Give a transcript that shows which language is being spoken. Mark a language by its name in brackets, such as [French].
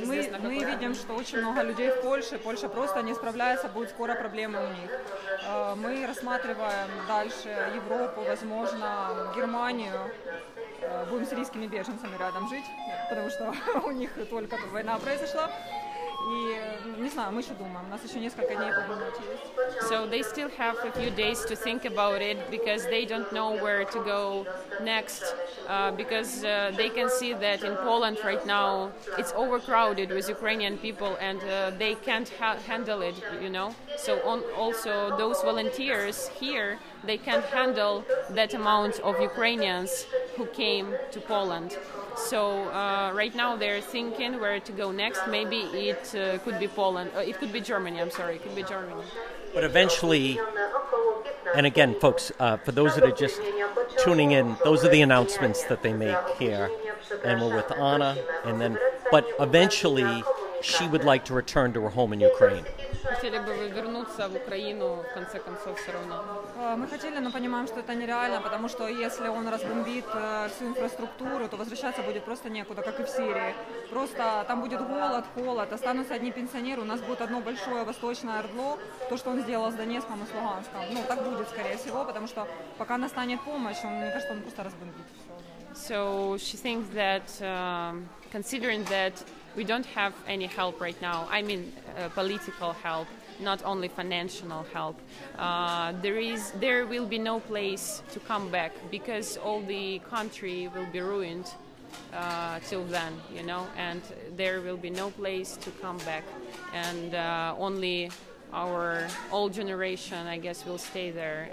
[Russian] Мы видим, что очень много людей в Польше. Польша просто не справляется, будет скоро проблема у них. Мы рассматриваем дальше Европу, возможно, Германию. Будем с сирийскими беженцами рядом жить, потому что у них только война произошла. И, не знаю, мы еще думаем. У нас еще несколько дней подумать есть. [English] So they still have a few days to think about it because they don't know where to go next because they can see that in Poland right now it's overcrowded with Ukrainian people and they can't handle it, you know. So also those volunteers here, they can't handle that amount of Ukrainians who came to Poland. So right now they're thinking where to go next. Maybe it could be Poland. It could be Germany. I'm sorry. It could be Germany. But eventually, and again, folks, for those that are just tuning in, those are the announcements that they make here. And we're with Anna. And then, but eventually, she would like to return to her home in Ukraine. [Ukrainian] Хотіли би вернутися в Україну, [Russian] в конце концов, все равно. [Ukrainian] Ми хотіли, [Russian] но понимаем, что это нереально, потому что если он разбомбит всю инфраструктуру, то возвращаться будет просто некуда, как и в Сирии. Просто там будет голод, холод, останутся одни пенсионеры, у нас будет одно большое восточное орло, то, что он сделал с Донецком и с Луганском. Ну, так будет, скорее всего, потому что пока настанет помощь, он, мне кажется, он просто разбомбит. [English] So she thinks that, considering that we don't have any help right now, I mean political help, not only financial help, there will be no place to come back because all the country will be ruined till then, you know, and there will be no place to come back, and only our old generation, I guess, will stay there.